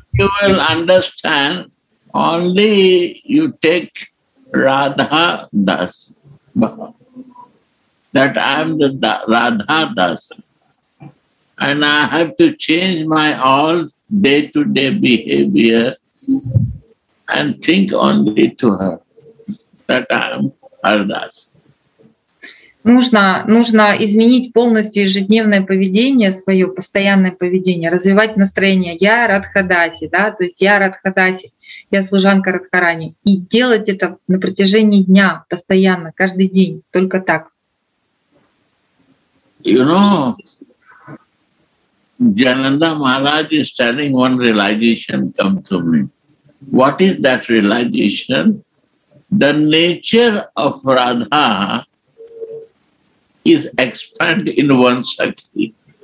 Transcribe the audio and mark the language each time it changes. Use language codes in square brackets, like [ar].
[en] You will understand only you take Radha Das. That I am the Radha Das. And I have to change my all day-to-day behavior and think only to her. That I am her Das. [ru] Нужно изменить полностью ежедневное поведение свое, постоянное поведение, развивать настроение «я Радхадаси», да, то есть «я Радхадаси», «я служанка Радхарани», и делать это на протяжении дня, постоянно, каждый день, только так. [en] You know, Jananda Maharaj is telling one realization come to me. What is that realization? The nature of Radha is expand in one shakti.